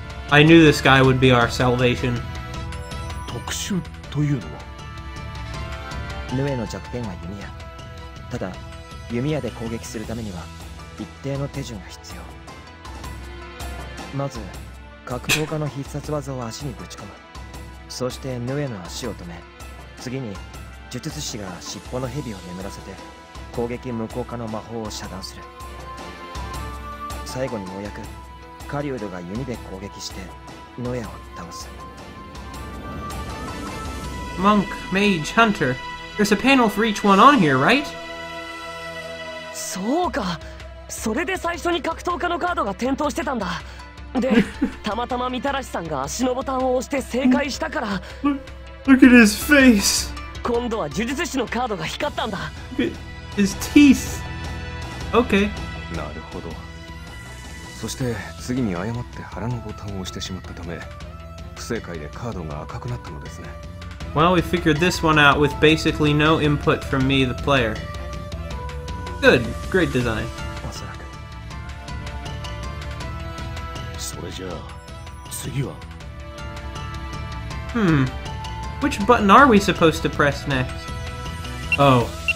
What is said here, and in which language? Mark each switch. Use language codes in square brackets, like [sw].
[en] I knew this guy would be our salvation. [ja] 特殊というのは? Nue の弱点は弓矢。ただ、弓矢で攻撃するためには一定の手順が必要。まず、格闘家の必殺技を足にぶち込む。そして Nue の足を止め、次に 術師が尻尾の蛇を眠らせて攻撃無効化の魔法を遮断する。最後にようやく狩人が弓で攻撃してノエを倒す。 [en] monk, mage, hunter. There's a panel for each one on here, right? [ja] そうか。それで最初に格闘家のカードが点灯してたんだ。で、たまたまみたらしさんが足のボタンを押して正解したから。 [en] Look at his face. [ja] 今度は呪術師のカードが光ったんだ。 [en] His teeth. Okay. [ja] なるほど。そして次に誤って腹のボタンを押してしまったため、不正解でカードが赤くなったのですね。 [en] Well, we figured this one out with basically no input from me, the player. Good. Great design. Which button are we supposed to press next? Oh.